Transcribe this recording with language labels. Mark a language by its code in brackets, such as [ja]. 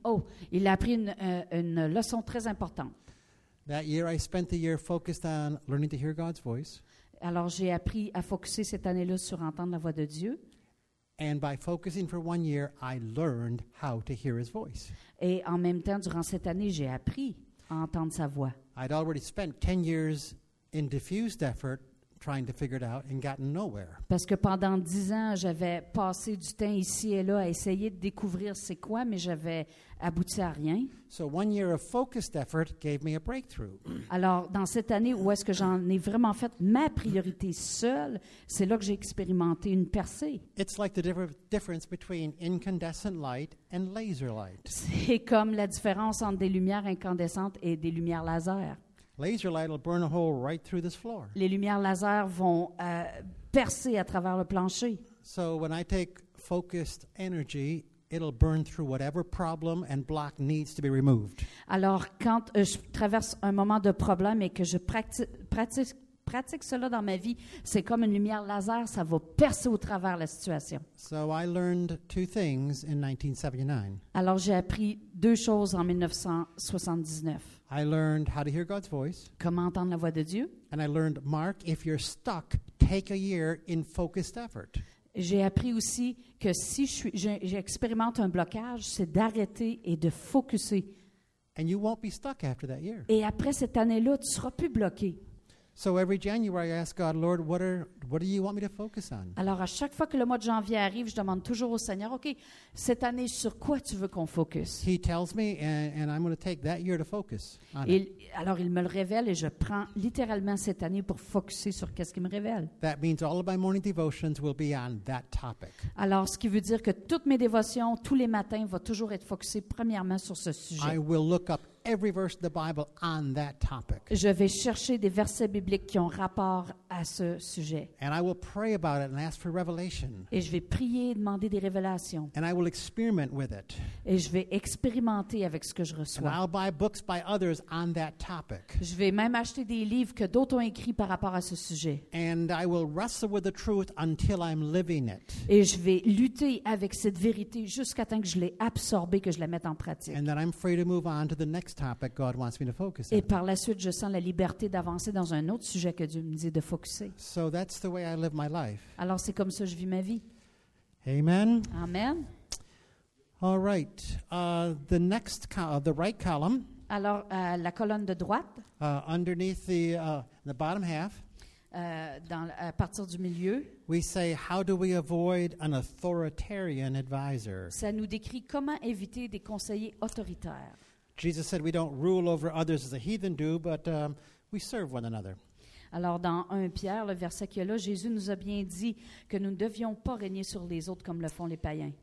[fr] Oh, il a appris une leçon très importante. [en] That year, I spent the year focused on learning to hear God's voice. [fr] Alors, j'ai appris à focusser cette année-là sur entendre la voix de Dieu. [en] And by focusing for one year, I learned how to hear his voice. [fr] Et en même temps, durant cette année, j'ai appris à entendre sa voix. [en] I'd already spent 10 years in diffused effort trying to figure it out and gotten nowhere. [fr] Parce que pendant 10 ans, j'avais passé du temps ici et là à essayer de découvrir c'est quoi, mais j'avais abouti à rien. [en] So 1 year of focused effort gave me a breakthrough. [fr] Alors, dans cette année où est-ce que j'en ai vraiment fait ma priorité seule, c'est là que j'ai expérimenté une percée. [en] It's like the difference between incandescent light and laser light. [fr] C'est comme la différence entre des lumières incandescentes et des lumières laser. [en] Laser light will burn a hole right through this floor. [fr] Les lumières laser vont percer à travers le plancher. [en] So when I take focused energy, it'll burn through whatever problem and block needs to be removed. [fr] Alors quand je traverse un moment de problème et que je pratique cela dans ma vie, c'est comme une lumière laser, ça va percer au travers la situation. [en] So I learned two things in 1979. [fr] Alors j'ai appris deux choses en 1979. [en] I learned how to hear God's voice. [fr] Comment entendre la voix de Dieu. [en] And I learned, Mark, if you're stuck, take a year in focused effort. [fr] J'ai appris aussi que si j'expérimente un blocage, c'est d'arrêter et de focusser. [en] And you won't be stuck after that year. [fr] Et après cette année-là, tu ne seras plus bloqué. [en] So every January I ask God, Lord, what do you want me to focus on? [fr] Alors à chaque fois que le mois de janvier arrive, je demande toujours au Seigneur, OK, cette année sur quoi tu veux qu'on focus? [en] He tells me and I'm going to take that year to focus on it. [fr] Alors il me le révèle et je prends littéralement cette année pour focuser sur qu'est-ce qu'il me révèle. [en] That means all of my morning devotions will be on that topic. [fr] Alors ce qui veut dire que toutes mes dévotions tous les matins vont toujours être focusées premièrement sur ce sujet. [en] I will look up every verse of the Bible on that topic. [fr] Je vais chercher des versets bibliques qui ont rapport à ce sujet. [en] And I will pray about it and ask for revelation. [fr] Et je vais prier et demander des révélations. [en] And I will experiment with it. [fr] Et je vais expérimenter avec ce que je reçois. [en] And I'll buy books by others on that topic. [fr] Je vais même acheter des livres que d'autres ont écrits par rapport à ce sujet. [en] And I will wrestle with the truth until I'm living it. [fr] Et je vais lutter avec cette vérité jusqu'à temps que je l'ai absorbée, que je la mette en pratique. [en] And then I'm free to move on to the next topic God wants me to focus on. [fr] Et par la suite, je sens la liberté d'avancer dans un autre sujet que Dieu me dit de focuser. [en] So that's the way I live my life. [fr] Alors c'est comme ça que je vis ma vie. [en] Amen. Amen. All right. The next the right column. [fr] Alors la colonne de droite. [en] Underneath the bottom half. [fr] À partir du milieu. [en] We say, how do we avoid an authoritarian advisor? [fr] Ça nous décrit comment éviter des conseillers autoritaires. [en] Jesus said we don't rule over others as the heathen do, but we serve one another. [fr] Alors dans 1 Pierre, le verset qui est là, Jésus nous a bien dit que nous ne devions pas régner sur les autres comme le font les païens.